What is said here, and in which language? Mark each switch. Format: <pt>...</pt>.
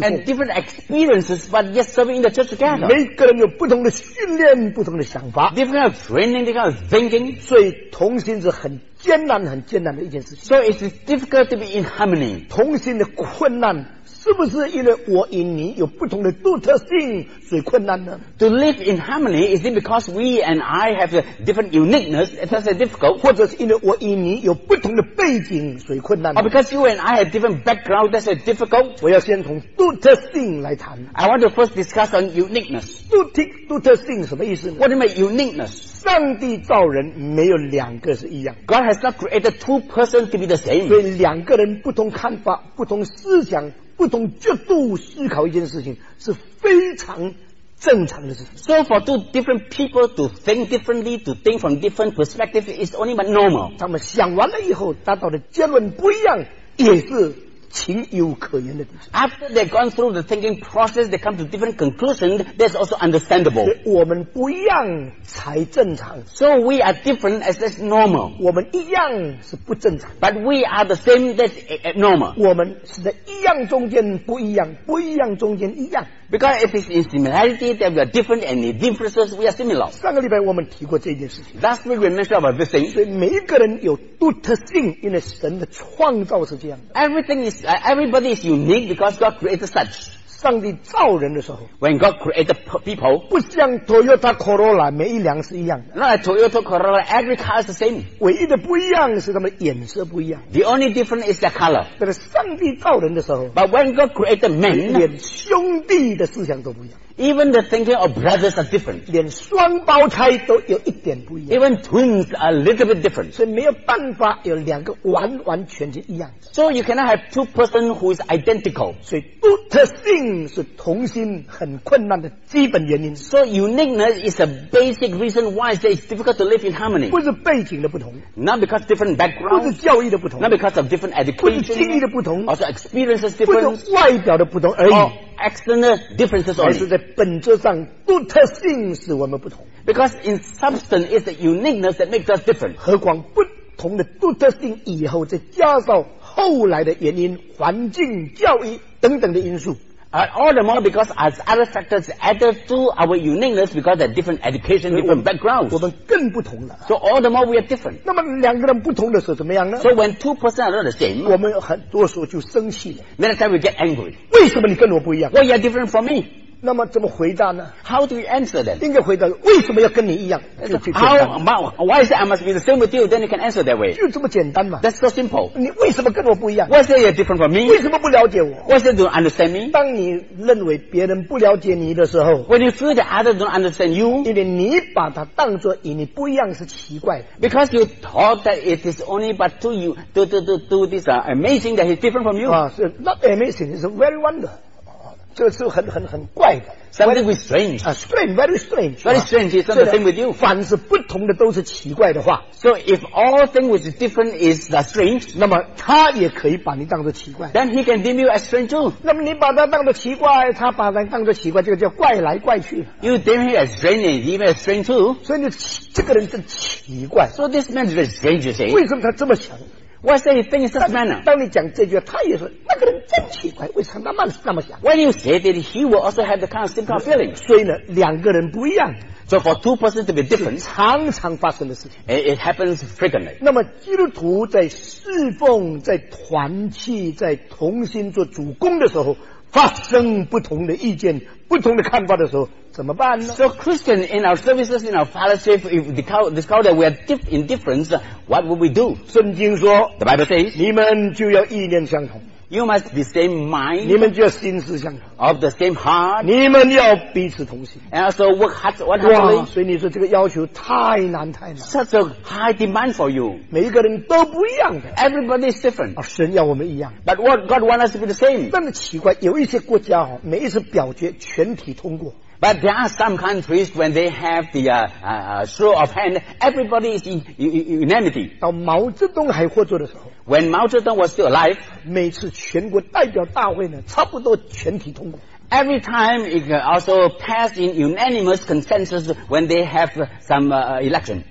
<en>And different experiences, but yet serving in the church together.</en> <zh>每个人有不同的训练，不同的想法。</zh> <en>Different kind of training, different kind of thinking.</en> <zh>所以同心是很艰难很艰难的一件事情。</zh> <en>So it is difficult to be in harmony.</en> <zh>同心的困难是不是因为我与你有不同的独特性所以困难呢？</zh> <en>To live in harmony, is it because we and I have a different uniqueness? That's difficult.</en> <zh>或者是因为我与你有不同的背景所以困难呢？</zh> <en>Or because you and I have different background, that's difficult.</en> <zh>我要先从独特性来谈。</zh> <en>I want to first discuss on uniqueness.</en> <zh>独特性什么意思呢？</zh> <en>What do you mean uniqueness?</en> <zh>上帝造人没有两个是一样。</zh> <en>God has not created two persons to be the same.</en> <zh>所以两个人不同看法，不同思想，不同角度思考一件事情是非常正常的事情。</zh> <en>So for two different people to think differently, to think from different perspectives is only but normal.</en> <zh>他们想完了以后达到的结论不一样也是情有可原的。</zh> <en>After they've gone through the thinking process, they come to different conclusions, that's also understandable.</en> <zh>我们不一样才正常。</zh> <en>So we are different as that's normal.</en> <zh>我们一样是不正常。</zh> <en>But we are the same, that's abnormal.</en> <zh>我们是在一样中间不一样，不一样中间一样。</zh> <en>Because it is in similarity that we are different and the differences we are similar.</en> <zh>上个礼拜我们提过这件事情。</zh> <en>Last week we mentioned about this thing.</en> <zh>所以每一个人有独特性，因为神的创造是这样的。</zh> <en>Everything is, everybody is unique because God created such.</en> <zh>上帝造人的时候。</zh> <en>When God created people.</en> <zh>不像 Toyota Corolla, 每一辆是一样的。</zh> <en>Not like Toyota Corolla, every car is the same.</en> <zh>唯一的不一样是他们颜色不一样。</zh> <en>The only difference is the color.</en> <zh>但是上帝造人的时候。</zh> <en>But when God created men.</en> <zh>连兄弟的思想都不一样。</zh> <en>Even the thinking of brothers are different.</en> <zh>连双胞胎都有一点不一样。</zh> <en>Even twins are a little bit different.</en> <zh>所以没有办法有两个完完全全一样。</zh> <en>So you cannot have two persons who is identical.</en> <zh>所以独特性是同心很困难的基本原因。</zh> <en>So uniqueness is a basic reason why it's difficult to live in harmony.</en> <zh>不是背景的不同。</zh> <en>Not because different backgrounds.</en> <zh>不是教育的不同。</zh> <en>Not because of different education.</en> <zh>不是经历的不同。</zh> <en>Also experiences different.</en> <zh>不是外表的不同而已。</zh> <en>Or external differences only.</en> <zh>还是在本质上独特性使我们不同。</zh> <en>Because in substance is the uniqueness that makes us different.</en> <zh>何况不同的独特性以后再加上后来的原因环境教育等等的因素。</zh> <en>All the more because as other factors added to our uniqueness because they're different education, different backgrounds.</en> <zh>我们更不同了。</zh> <en>So all the more we are different.</en> <zh>那么两个人不同的时候怎么样呢？</zh> <en>So when two persons are not the same,</en> <zh>我们很多时候就生气了。</zh> <en>Many times we get angry.</en> <zh>为什么你跟我不一样？</zh> <en>Well, you are different from me.</en> <zh>那么怎么回答呢？</zh> <en>How do you answer that?</en> <zh>应该回答为什么要跟你一样？</zh> <en>Why is it I must be the same with you? Then you can answer that way.</en> <zh>就这么简单嘛。</zh> <en>That's so simple.</en> <zh>你为什么跟我不一样？</zh> <en>Why is it you're different from me?</en> <zh>为什么不了解我？</zh> <en>Why is it you don't understand me?</en> <zh>当你认为别人不了解你的时候，</zh> <en>When you feel that others don't understand you,</en> <zh>因为你把它当作与你不一样是奇怪的。</zh> <en>Because you thought that it is only but to you, to this amazing that he's different from you. So not amazing, it's very wonderful.</en> <zh>这是很怪的。</zh> <en>Something is strange. Strange, very strange. Very strange, it's not the same with you.</en> <zh>凡是不同的都是奇怪的话。</zh> <en>So if all things which is different is strange,</en> <zh>那么他也可以把你当作奇怪。</zh> <en>Then he can deem you as strange too.</en> <zh>那么你把他当作奇怪，他把人当作奇怪，这个叫怪来怪去。</zh> <en>You deem him as strange, he deem as strange too.</en> <zh>所以你这个人真奇怪。</zh> <en>So this man is very strange, you say.</en> <zh>为什么他这么想？</zh> <en>Why say he thinks this manner?</en> <zh>当你讲这句话，他也说那个人真奇怪，为什么那么想？</zh> <en>When you say that, he will also have the kind of same kind of feeling.</en> <zh>所以呢，两个人不一样。</zh> <en>So for two persons to be different,</en> <zh>是常常发生的事情。</zh> <en>It happens frequently.</en> <zh>那么基督徒在侍奉、在团契、在同心做主工的时候，发生不同的意见、不同的看法的时候，怎么办呢？</zh> <en>So Christian, in our services, in our fellowship, if discover that we are in difference, what will we do?</en> <zh>圣经说</zh> <en>，The Bible says,</en> <zh>你们就要意念相同。</zh> <en>You must be same mind.</en> <zh>你们就要心思相同。</zh> <en>Of the same heart.</en> <zh>你们要彼此同心。</zh> <en>And also work hard, one heart.</en> <zh>哇，所以你说这个要求太难太难。</zh> <en>Such a high demand for you.</en> <zh>每一个人都不一样的。</zh> <en>Everybody is different.</en> <zh>啊，神要我们一样。</zh> <en>But what God wants us to be the same.</en> <zh>但是奇怪，有一些国家哈，每一次表决全体通过。</zh> <en>But there are some countries when they have the show of hand, everybody is in unanimity.</en> <zh>到毛泽东还活着的时候</zh> <en>，When Mao Zedong was still alive,</en> <zh>每次全国代表大会呢，差不多全体通过。</zh> <en>Every time it also passed in unanimous consensus when they have some election.</en>